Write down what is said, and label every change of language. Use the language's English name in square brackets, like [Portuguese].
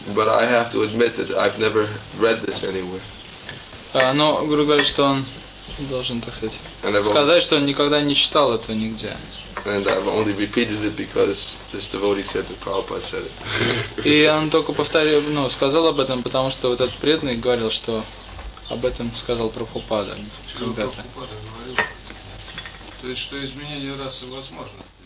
[English] But I have to admit that I've never read this anywhere. [Russian] Но Гуру говорит, что он должен, так сказать, что он никогда не читал этого нигде. [English] And I've only repeated it because this devotee said that Prabhupada said it. [Russian] И он только повторил, сказал об этом, потому что вот этот преданный говорил, что об этом сказал Прабхупада когда-то. То есть, что изменение расы возможно?